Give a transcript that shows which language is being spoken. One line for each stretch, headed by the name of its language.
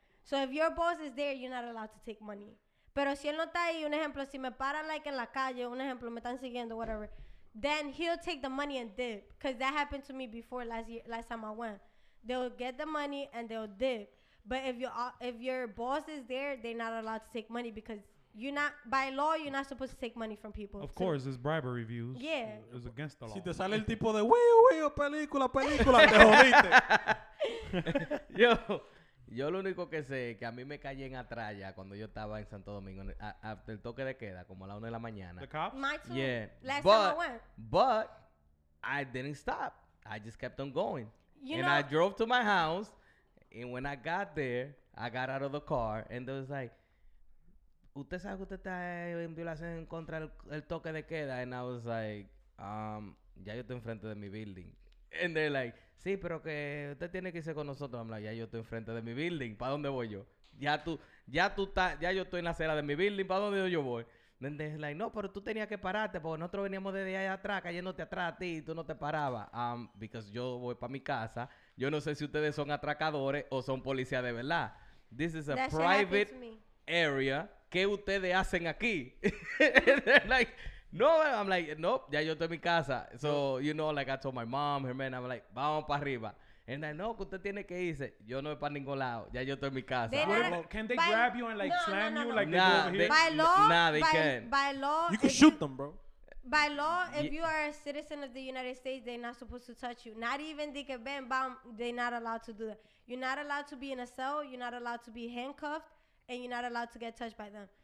English: So if your boss is there, you're not allowed to take money.
Spanish: Pero si él no está ahí, un ejemplo, si me paran, like, en la calle, un ejemplo, me están siguiendo, whatever,
English: then he'll take the money and dip. Because that happened to me before last time I went. They'll get the money and they'll dip. But if your boss is there, they're not allowed to take money because you're not, by law, you're not supposed to take money from people. Of course, it's bribery views. Yeah. It's against the law.
Spanish: Si te sale el tipo de, wey, wey, película, película, te jodiste. Yo lo único que sé es que a mí me caí en atrás ya cuando yo estaba en Santo Domingo, hasta el toque de queda, como a la 1 de la mañana.
English: The cops? My turn. Yeah. But I didn't stop. I just kept on going. I drove to my house. And when I got there, I got out of the car, and it was like,
Spanish: ¿usted sabe que usted está en violación en contra del toque de queda?
English: And I was like,
Spanish: ya yo estoy enfrente de mi building.
English: And they're like,
Spanish: sí, pero que usted tiene que irse con nosotros.
English: I'm like,
Spanish: ya yo estoy enfrente de mi building. ¿Para dónde voy yo? Ya yo estoy en la acera de mi building. ¿Para dónde yo voy?
English: And they're like,
Spanish: no, pero tú tenías que pararte, porque nosotros veníamos desde allá atrás, cayéndote atrás a ti, y tú no te parabas. Because yo voy para mi casa. Yo no sé si ustedes son atracadores o son policías de verdad.
English: This is a that private area.
Spanish: ¿Qué ustedes hacen aquí?
English: Like, no, I'm like, nope,
Spanish: ya yo estoy en mi casa.
English: So, you know, like I told my mom, her man, I'm like,
Spanish: vamos para arriba.
English: And I know,
Spanish: usted tiene que irse. Yo no voy para ningún lado. Ya yo estoy en mi casa.
English: Can they grab you and like slam you like nah, they do over here? By law, nah, they can. By law, you can shoot them, bro. By law, if you are a citizen of the United States, they're not supposed to touch you. Not even they can bam bam. They're not allowed to do that. You're not allowed to be in a cell. You're not allowed to be handcuffed, and you're not allowed to get touched by them.